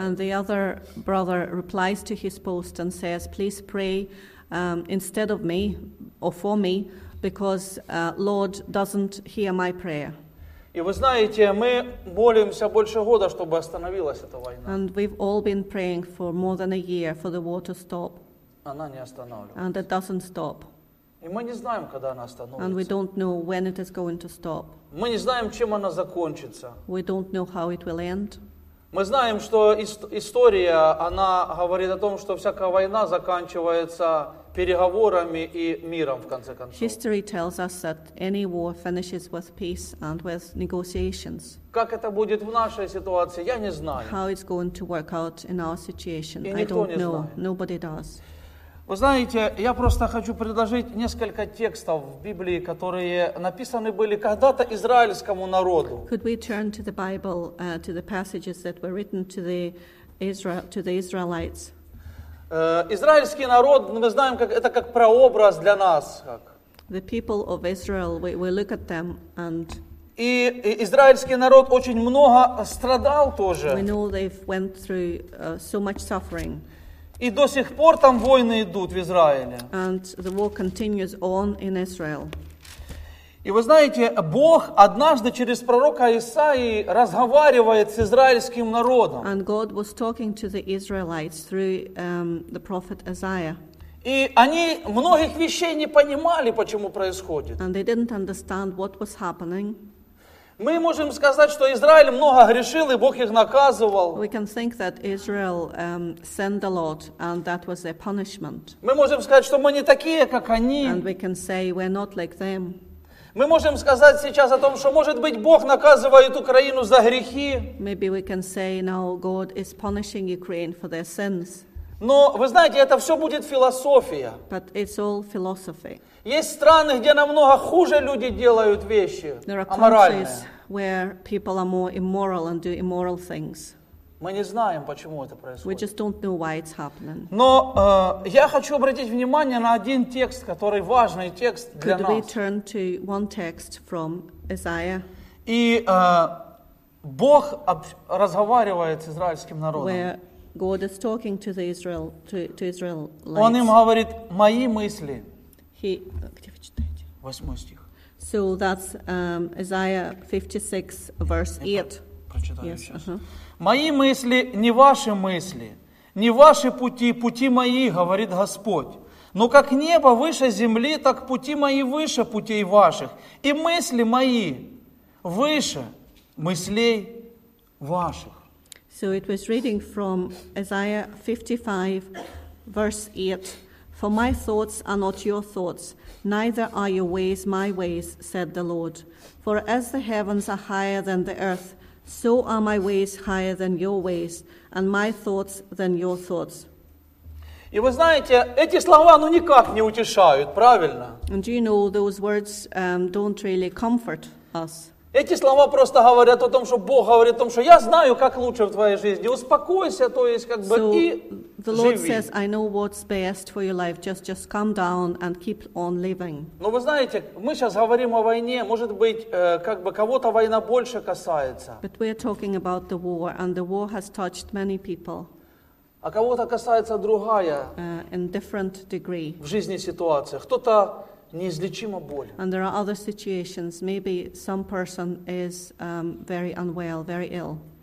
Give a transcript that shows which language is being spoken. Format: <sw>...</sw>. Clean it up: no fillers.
<en>And the other brother replies to his post and says, please pray instead of me or for me, because Lord doesn't hear my prayer.</en> <ru>И вы знаете, мы молимся больше года, чтобы остановилась эта война.</ru> <en>And we've all been praying for more than a year for the war to stop.</en> <ru>Она не останавливается.</ru> <en>And it doesn't stop.</en> <ru>И мы не знаем, когда она остановится.</ru> <en>And we don't know when it is going to stop.</en> <ru>Мы не знаем, чем она закончится.</ru> <en>We don't know how it will end.</en> <ru>Мы знаем, что история, она говорит о том, что всякая война заканчивается переговорами и миром, в конце концов.</ru> <en>History tells us that any war finishes with peace and with negotiations.</en> <ru>Как это будет в нашей ситуации, я не знаю.</ru> <en>How it's going to work out in our situation, I don't know. Nobody does.</en> <ru>Вы знаете, я просто хочу предложить несколько текстов в Библии, которые написаны были когда-то израильскому народу.</ru> <en>Could we turn to the Bible, to the passages that were written to the Israel, to the Israelites?</en> <ru>Израильский народ, мы знаем, как это как прообраз для нас. Как.</ru> <en>The people of Israel, we look at them and.</en> <ru>И израильский народ очень много страдал тоже.</ru> <en>We know they've went through so much suffering.</en> <ru>И до сих пор там войны идут в Израиле.</ru> <en>And the war continues on in Israel.</en> <ru>И вы знаете, Бог однажды через пророка Исаии разговаривает с израильским народом.</ru> <en>And God was talking to the Israelites through the prophet Isaiah.</en> <ru>И они многих вещей не понимали, почему происходит.</ru> <en>And they didn't understand what was happening.</en> <ru>Мы можем сказать, что Израиль много грешил, и Бог их наказывал.</ru> <en>We can think that Israel sinned a lot, and that was their punishment.</en> <ru>Мы можем сказать, что мы не такие, как они.</ru> <en>And we can say we're not like them.</en> <ru>Мы можем сказать сейчас о том, что, может быть, Бог наказывает Украину за грехи.</ru> <en>Maybe we can say now God is punishing Ukraine for their sins.</en> <ru>Но вы знаете, это все будет философия.</ru> <en>But it's all philosophy.</en> <ru>Есть страны, где намного хуже люди делают вещи, аморальные.</ru> <en>Where people are more immoral and do immoral things.</en> <ru>Мы не знаем, почему это происходит.</ru> <en>We just don't know why it's happening.</en> <ru>Но я хочу обратить внимание на один текст, который важный текст для</ru> <en>Could</en> <ru>нас.</ru> <en>Could we turn to one text from Isaiah?</en> <ru>И Бог разговаривает с израильским народом.</ru> <en>Where God is talking to the Israel, to Israelites.</en> <ru>Он им говорит, мои мысли. He, где вы читаете? Восьмой стих.</ru> <en>So that's Isaiah 56, verse 8.</en> <ru>Прочитаю yes. сейчас. Uh-huh. Мои мысли не ваши мысли, не ваши пути, пути мои, говорит Господь. Но как небо выше земли, так пути мои выше путей ваших. И мысли мои выше мыслей ваших.</ru> <en>So it was reading from Isaiah 55, verse 8. For my thoughts are not your thoughts, neither are your ways my ways, said the Lord. For as the heavens are higher than the earth, so are my ways higher than your ways, and my thoughts than your thoughts.</en> <ru>И вы знаете, эти слова, ну, никак не утешают, правильно?</ru> <en>And you know, those words don't really comfort us.</en> <ru>Эти слова просто говорят о том, что Бог говорит о том, что я знаю, как лучше в твоей жизни. Успокойся, то есть как бы</ru> <en>so,</en> <ru>и живи.</ru> <en>The Lord says, I know what's best for your life. Just calm down and keep on living.</en> <ru>Но вы знаете, мы сейчас говорим о войне. Может быть, как бы кого-то война больше касается.</ru> <en>But we are talking about the war, and the war has touched many people.</en> <ru>А кого-то касается другая.</ru> <en>In different degree.</en> <ru>В жизни ситуация. Кто-то неизлечимо боль.</ru> <en>And there are other situations. Maybe some person is very unwell, very ill.</en>